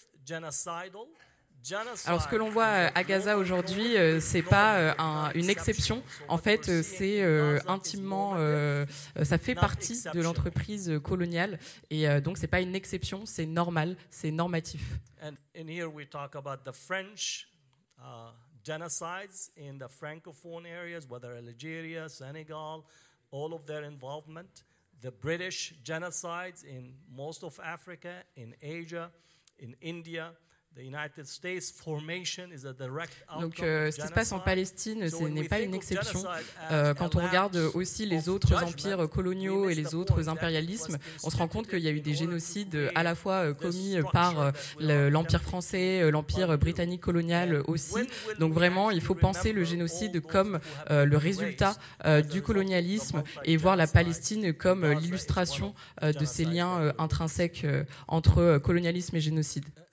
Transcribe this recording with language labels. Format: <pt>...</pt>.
<fr>Alors, ce que l'on voit à Gaza aujourd'hui, c'est pas une exception. En fait, c'est intimement, ça fait partie de l'entreprise coloniale, et donc c'est pas une exception, c'est normal, c'est normatif.</fr> <en>And here we talk about the French genocides in the Francophone areas, whether Algeria, Senegal, all of their involvement, the British genocides in most of Africa, in Asia, in India. The United States formation is a direct outcome.</en> <fr>Donc, ce qui se passe en Palestine, ce n'est pas une exception. Quand on regarde aussi les autres empires coloniaux et les autres impérialismes, on se rend compte qu'il y a eu des génocides à la fois commis par l'Empire français, l'Empire britannique colonial aussi. Donc, vraiment, il faut penser le génocide comme le résultat du colonialisme et voir la Palestine comme l'illustration de ces liens intrinsèques entre colonialisme et génocide.</fr>